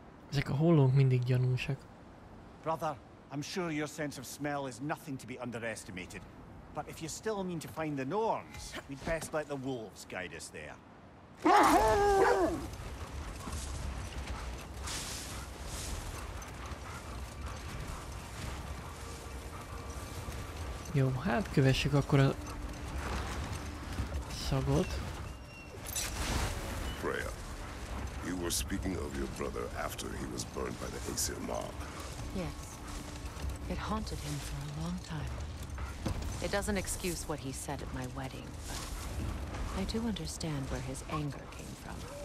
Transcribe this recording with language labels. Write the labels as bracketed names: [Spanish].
[Hungarian] Ezek a hollók mindig gyanúsak. [English] Brother, I'm sure your sense of smell is nothing to be underestimated. But if you still mean to find the Norns, we'd best let the wolves guide us there. [Hungarian] Jó, hát kövessük akkor a szagot. [English] Freya. You were speaking of your brother after he was burned by the Aesir mob. Yes. It haunted him for a long time. It doesn't excuse what he said at my wedding, but I do understand where his anger came from.